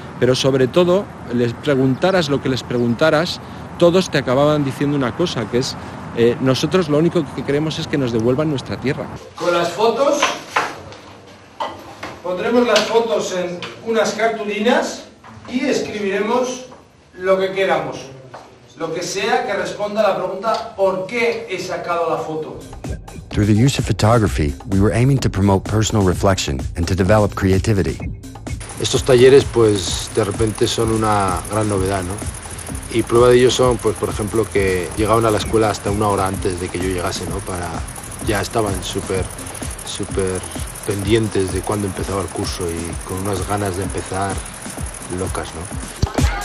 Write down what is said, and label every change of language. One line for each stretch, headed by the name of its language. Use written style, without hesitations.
Spanish: Pero sobre todo, les preguntaras lo que les preguntaras, todos te acababan diciendo una cosa, que es nosotros lo único que queremos es que nos devuelvan nuestra tierra. Con las fotos, pondremos las fotos en unas cartulinas y escribiremos lo que queramos, lo que sea que responda a la pregunta ¿por qué he sacado la foto?
English: Through the use of photography, we were aiming to promote personal reflection and to develop creativity.
Spanish: Estos talleres, pues, de repente son una gran novedad, ¿no? Y prueba de ello son, pues, por ejemplo, que llegaban a la escuela hasta una hora antes de que yo llegase, ¿no? Para... ya estaban súper, súper pendientes de cuándo empezaba el curso y con unas ganas de empezar locas, ¿no?